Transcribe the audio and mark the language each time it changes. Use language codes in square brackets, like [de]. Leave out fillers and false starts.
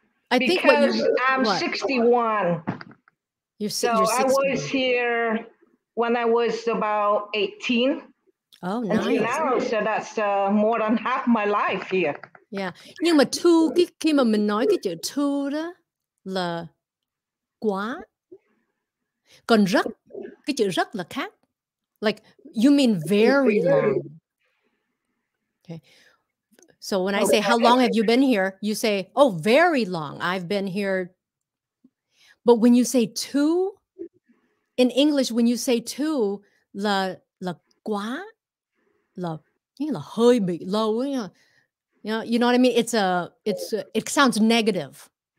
[en] I'm 61. I was here when I was about 18. Oh, nice. Until now, so that's more than half my life here. Yeah. [vi] Nhưng mà thu cái khi mà mình nói cái chữ thu đó là quá. Còn rất, cái chữ rất là khác. [en] Like, you mean very long. Okay. So when I say, how long have you been here? You say, oh, very long. I've been here. But when you say two, in English, when you say two, [vi] là quá, là hơi bị lâu. [en] You know what I mean? It sounds negative.